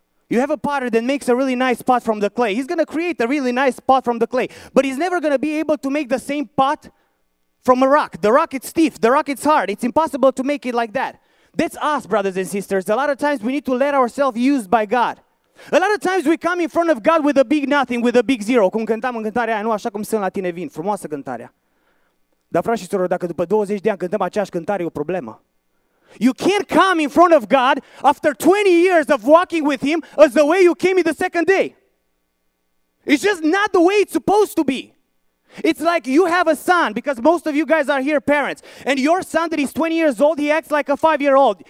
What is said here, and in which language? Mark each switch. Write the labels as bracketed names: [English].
[English] You have a potter that makes a really nice pot from the clay. He's going to create a really nice pot from the clay. But he's never going to be able to make the same pot from a rock. The rock, it's stiff. The rock, it's hard. It's impossible to make it like that. That's us, brothers and sisters. A lot of times we need to let ourselves used by God. A lot of times we come in front of God with a big nothing, with a big zero. [Romanian] Cum cântam în cântarea aia, nu așa cum sunt la tine vin. Frumoasă cântarea. Dar frați și surori, dacă după 20 de ani cântăm aceeași cântare, e o problemă. [English] You can't come in front of God after 20 years of walking with Him as the way you came in the second day. It's just not the way it's supposed to be. It's like you have a son, because most of you guys are here parents, and your son that is 20 years old, he acts like a 5-year-old.